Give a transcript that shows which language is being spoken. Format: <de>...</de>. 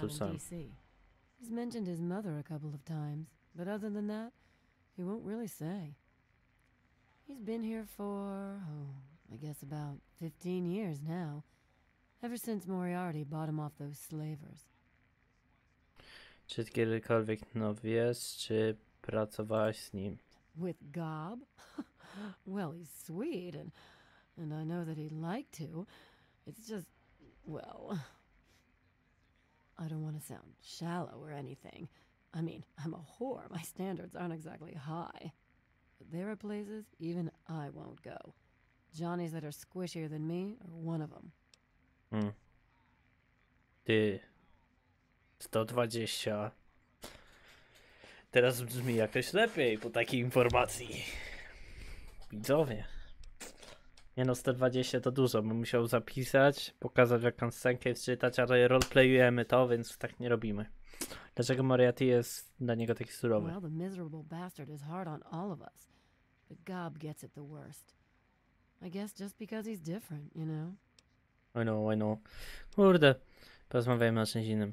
<en>down in DC. He's mentioned his mother a couple of times, but other than that, he won't really say. He's been here for, oh, I guess about 15 years now, ever since Moriarty bought him off those slavers.</en> <pl>Czy kiedykolwiek no wiesz, czy pracowałaś z nim?</pl> <en>With Gob? Well, he's sweet and... And I know that he'd like to. It's just, Well, I don't want to sound shallow or anything. I mean, I'm a whore. My standards aren't exactly high. But there are places even I won't go. Johnnies that are squishier than me are one of them.</en> <pl>Hmm. Ty. 120. Teraz brzmi jakoś lepiej po takiej informacji. Widzowie. Nie no, 120 to dużo, bym musiał zapisać, pokazać jaką scenkę czytać, ale roleplayujemy to, więc tak nie robimy. Dlaczego Moriarty jest dla niego taki surowy?</pl> <en>Well, the miserable bastard is hard on all of us. But Gob gets it the worst. I guess just because he's different, you know? I know.</en> <pl>Kurde, porozmawiajmy o czymś innym.</pl>